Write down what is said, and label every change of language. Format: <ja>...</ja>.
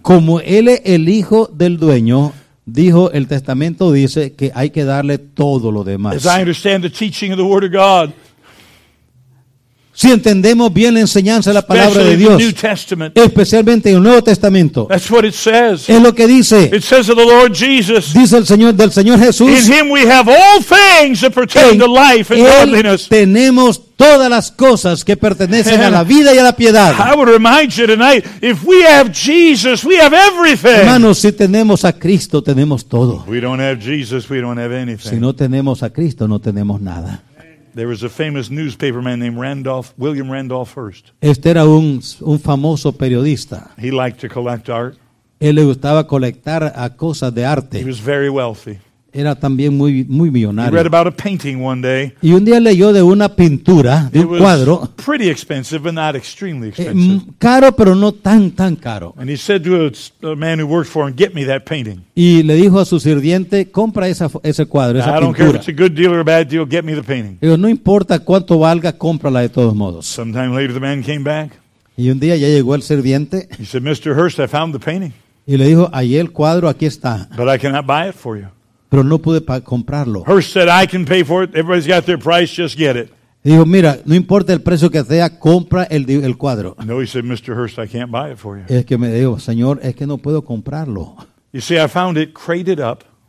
<es>Como él es el hijo del dueño, dijo el testamento dice que hay que darle todo lo demás.</es> <en>As I understand the teaching of the Word of God,</en> <es>si entendemos bien la enseñanza de la palabra de Dios, especialmente en el Nuevo Testamento,</es> <en>that's what it says.</en> <es>Es lo que dice.</es> <en>It says of the Lord Jesus,</en> <es>dice el Señor del Señor Jesús.</es> <en>In Him we have all things that pertain to life and godliness.</en> <es>Tenemos todas las cosas que pertenecen a la vida y a la piedad.</es> <en>I would remind you tonight, if we have Jesus, we have everything.</en> <es>Hermanos, si tenemos a Cristo, tenemos todo.</es> <en>If we don't have Jesus, we don't have anything.</en> <es>Si no tenemos a Cristo, no tenemos nada.</es> <en>There was a famous newspaper man named William Randolph Hearst.</en> <es>Este era un famoso periodista.</es> <en>He liked to collect art.</en> <es>Él le gustaba colectar a cosas de arte.</es> <en>He was very wealthy.</en> <es>Era también muy muy millonario.</es> <en>He read about a painting one day.</en> <es>Y un día leyó de una pintura, de un cuadro.</es> <en>It was pretty expensive, but not extremely expensive.</en> <es>Caro, pero no tan caro.</es> <en>And he said to a man who worked for him, "Get me that painting."</en> <es>Y le dijo a su sirviente, "Compra ese cuadro, esa pintura."</es> <en>I don't care if it's a good deal or a bad deal. Get me the painting.</en> <es>Digo, no importa cuánto valga, cómprala de todos modos.</es> <en>Sometime later, the man came back.</en> <es>Y un día ya llegó el sirviente.</es> <en>He said, "Mr. Hearst, I found the painting."</en> <es>Y le dijo, "Ahí el cuadro, aquí está."</es> <en>But I cannot buy it for you.</en> <es>Pero no pude comprarlo.</es> <en>Hearst said, "I can pay for it. Everybody's got their price. Just get it."</en> <es>Dijo, mira, no importa el precio que sea, compra el cuadro.</es> <en>No, he said, "Mr. Hearst, I can't buy it for you."</en> <es>Es que me dijo, señor, es que no puedo comprarlo.</es> <en>You see, I found it crated up.</en>